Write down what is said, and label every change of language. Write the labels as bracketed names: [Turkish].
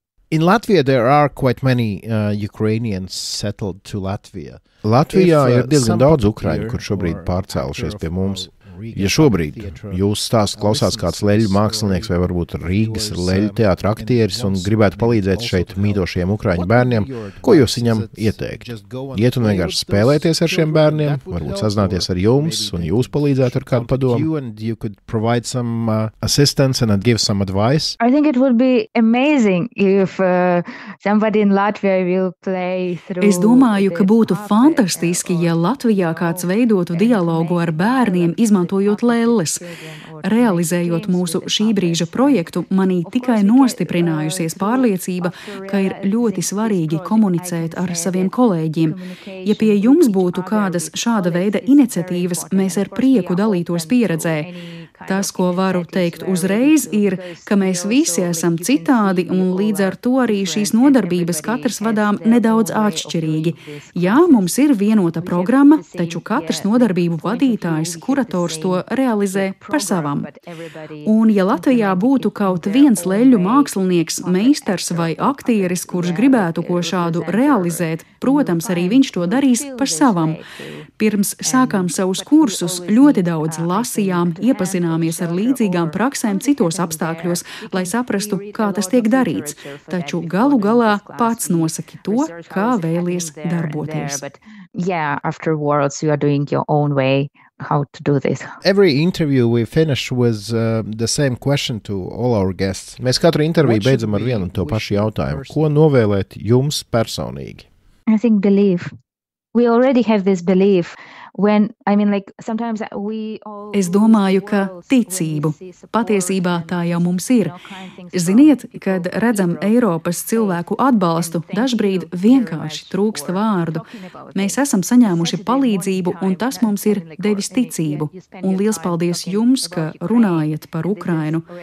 [English] In Latvia there are quite many Ukrainians settled to Latvia. [Latvian] Latvijā ir diezgan daudz ukraiņu, kur šobrīd pārcēlušies pie mums. Ja šobrīd jūs stāsts klausās kāds leļu mākslinieks vai varbūt Rīgas leļu teātra aktieris un gribētu palīdzēt šeit mītošiem ukraiņu bērniem, ko jūs viņam ieteikt? Iet un vienkārši spēlēties ar šiem bērniem, varbūt sazināties ar jums un jūs palīdzēt ar kādu padomu? [English] You could provide some assistance and give some advice. I think it would be amazing if somebody in Latvia will play through. [Latvian] Es domāju, ka būtu fantastiski, ja Latvijā kāds veidotu dialogu ar bērniem, izmantojot lelles. Realizējot mūsu šī brīža projektu, manī tikai nostiprinājusies pārliecība, ka ir ļoti svarīgi komunicēt ar saviem kolēģiem. Ja pie jums būtu kādas šāda veida iniciatīvas, mēs ar prieku dalītos pieredzē. Tas, ko varu teikt uzreiz, ir, ka mēs visi esam citādi un līdz ar to arī šīs nodarbības katrs vadām nedaudz atšķirīgi. Jā, mums ir vienota programma, taču katrs nodarbību vadītājs, kurators to realizē par savam. Un ja Latvijā būtu kaut viens leļu mākslinieks, meistars vai aktieris, kurš gribētu ko šādu realizēt, protams, arī viņš to darīs par savam. Pirms sākām savus kursus, ļoti daudz lasījām, iepazināmies ar līdzīgām praksēm citos apstākļos, lai saprastu, kā tas tiek darīts. Taču galu galā pats nosaki to, kā vēlies darboties. [English] Yeah, afterwards you are doing your own way. How to do this. Every interview we finish with the same question to all our guests. [Latvian] Mēs katru interviju beidzam ar vienu un to pašu jautājumu. Ko novēlēt jums personīgi? [English] I think belief. We already have this belief. [Latvian] Es domāju, ka ticību. Patiesībā tā jau mums ir. Ziniet, kad redzam Eiropas cilvēku atbalstu, dažbrīd vienkārši trūkst vārdu. Mēs esam saņēmuši palīdzību, un tas mums ir devis ticību. Un liels paldies jums, ka runājat par Ukrainu.